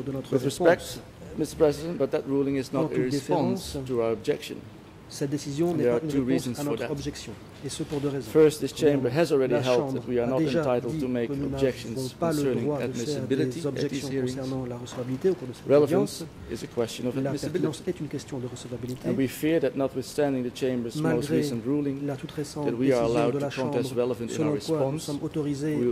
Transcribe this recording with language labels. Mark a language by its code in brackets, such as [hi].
[en] With respect, Mr. President, but that ruling is not a response to our objection. [fr] Cette décision n'est pas une réponse à notre objection, et ce pour deux raisons. [en] First, this chamber has already held that we are not entitled to make objections concerning admissibility at these hearings. Relevance is a question of admissibility. And we fear that notwithstanding the chamber's most recent ruling, that we are allowed to contest relevance in our response, we